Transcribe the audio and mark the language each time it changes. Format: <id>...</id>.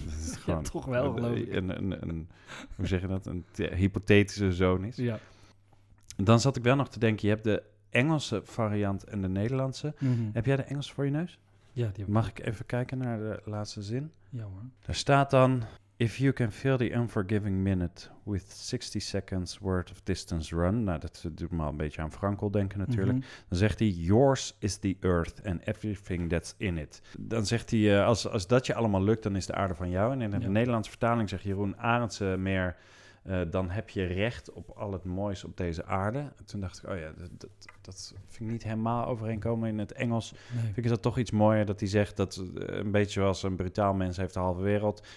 <nl>Dat is gewoon, ja, toch wel, geloof ik. Hoe zeg je dat? Een hypothetische zoon is. Ja. Dan zat ik wel nog te denken, je hebt de Engelse variant en de Nederlandse. Mm-hmm. Heb jij de Engelse voor je neus? Ja, die heb ik. Mag ik even kijken naar de laatste zin? Ja hoor. Daar staat dan,</nl> <en>If you can fill the unforgiving minute with 60 seconds worth of distance run.</en> <nl>Nou, dat doet me al een beetje aan Frankl denken natuurlijk. Mm-hmm. Dan zegt hij,</nl> <en>yours is the earth and everything that's in it.</en> <nl>Dan zegt hij, als dat je allemaal lukt, dan is de aarde van jou. En in de Nederlandse vertaling zegt Jeroen Arendse meer, dan heb je recht op al het moois op deze aarde. En toen dacht ik, oh ja, dat vind ik niet helemaal overeenkomen in het Engels. Nee. Vind ik dat toch iets mooier dat hij zegt dat een beetje zoals een brutaal mens heeft de halve wereld.</nl>